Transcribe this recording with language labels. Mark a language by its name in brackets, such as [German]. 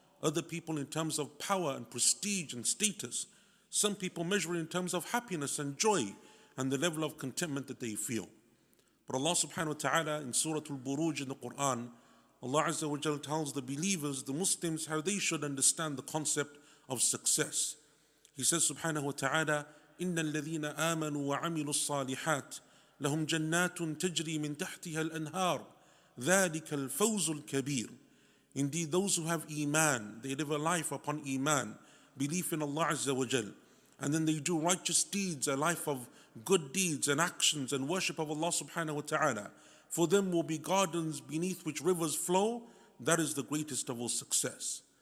[English] Other people in terms of power and prestige and status. Some people measure it in terms of happiness and joy and the level of contentment that they feel. But Allah subhanahu wa ta'ala in Surah Al-Buruj in the Quran, Allah Azza wa Jal tells the believers, the Muslims, how they should understand the concept of success. He says [Arabic] subhanahu wa ta'ala, إِنَّ الَّذِينَ آمَنُوا وَعَمِلُوا الصَّالِحَاتِ لَهُمْ جَنَّاتٌ تَجْرِي مِنْ تَحْتِهَا الْأَنْهَارُ ذَلِكَ الْفَوْزُ الْكَبِيرُ. [English] Indeed, those who have iman, they live a life upon iman, belief in Allah Azza wa Jal, and then they do righteous deeds, a life of good deeds and actions and worship of Allah subhanahu wa ta'ala. For them will be gardens beneath which rivers flow. That is the greatest of all success.